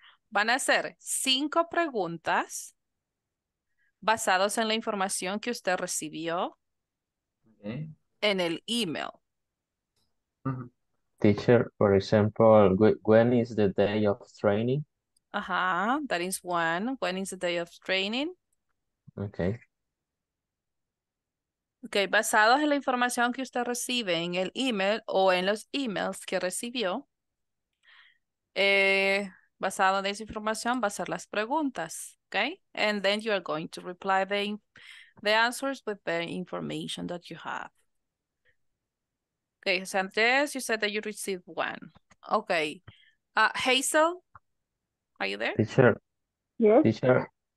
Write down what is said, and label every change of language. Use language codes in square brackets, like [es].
[es] Van a hacer 5 preguntas basadas en la información que usted recibió en el email. [en] Teacher, for example, when is the day of training? Ajá, that is one. When is the day of training? Okay. [es] Okay, basados en la información que usted recibe en el email o en los emails que recibió, basado en esa información va a ser las preguntas, okay? [en] And then you are going to reply the answers with the information that you have. Okay, Sanchez, you said that you received one. Okay, Hazel, are you there? Teacher. Yes. Teacher.